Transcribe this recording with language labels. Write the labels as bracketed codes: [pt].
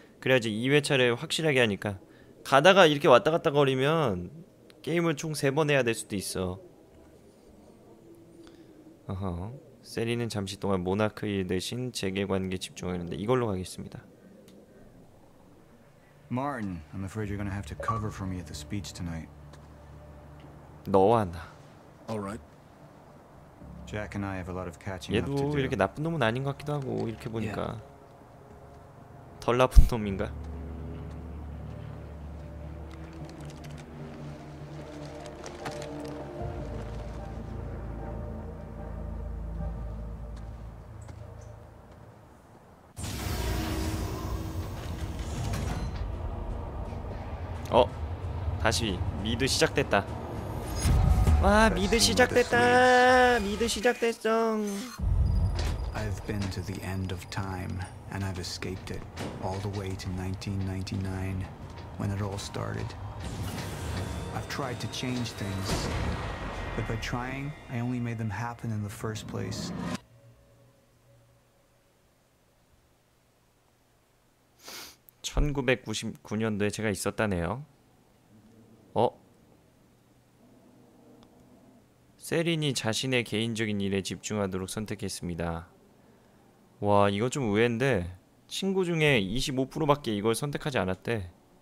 [ko] 그래야지 2회차를 확실하게 하니까. 가다가 이렇게 왔다 갔다 거리면 게임을 총 3번 해야 될 수도 있어. 어허. 세리는 잠시 동안 모나크의 대신 재계 관계에 집중하는데 이걸로 가겠습니다. [en] Martin, I'm afraid you're going to have to cover for me at the speech tonight. [ko] 너와 나. [en] All right. Jack and I have a lot of catching up to do. [ko] 얘도 이렇게 나쁜 놈은 아닌 것 같기도 하고 이렇게 보니까 덜 나쁜 놈인가? 어, 다시 미드 시작됐다. 와, 미드 시작됐다. 미드 시작됐어. [en] I've been to the end of time and I've escaped it all the way to 1999 when it all started. I've tried to change things, but by trying, I only made them happen in the first place. [ko] 1999년도에 제가 있었다네요. 어? 세린이 자신의 개인적인 일에 집중하도록 선택했습니다. 와, 이거 좀 의외인데 친구 중에 25%밖에 이걸 선택하지 않았대.